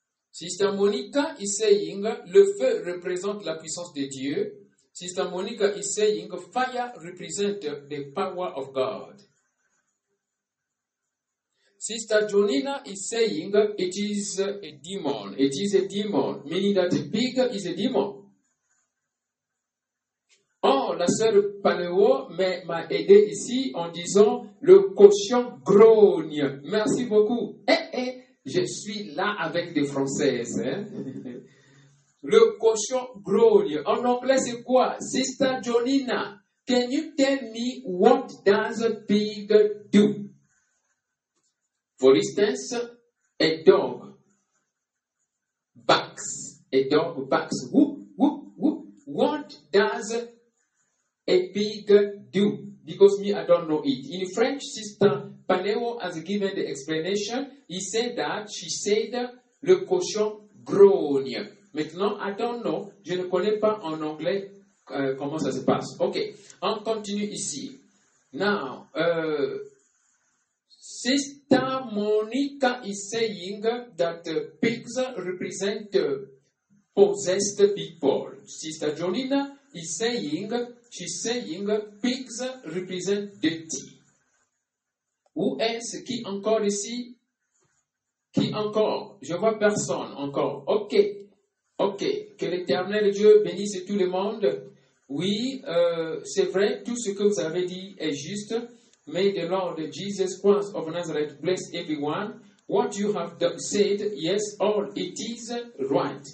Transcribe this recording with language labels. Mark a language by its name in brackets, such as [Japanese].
[English] Sister Monica is saying, [French] le feu représente la puissance de Dieu. [English] Sister Monica is saying, fire represents the power of God. Sister Jonina is saying, it is a demon. It is a demon, meaning that a pig is a demon. [French] Oh, la sœur Paléo m'a aidé ici en disant le cochon grogne. Merci beaucoup. Je suis là avec des Françaises. Le cochon grogne. En anglais, c'est quoi? [English] Sister Jonina, can you tell me what does a pig do? For instance, a dog barks. A dog barks. Whoop, whoop, whoop. What does a pig do? Because me, I don't know it. In French, Sister Paléo has given the explanation. He said that, she said, [French] le cochon grogne. Maintenant, [English] I don't know. [French] Je ne connais pas en anglais comment ça se passe. Ok, on continue ici. [English] Now, Sister Monica is saying that pigs represent possessed people. Sister Jolina is saying, she's saying pigs represent dirty. [French] Où est-ce? Qui encore ici? Qui encore? Je vois personne encore. Ok. Ok. Que l'Éternel Dieu bénisse tout le monde. Oui, c'est vrai, tout ce que vous avez dit est juste. [English] May the Lord Jesus Christ of Nazareth bless everyone. What you have said, yes, all it is right.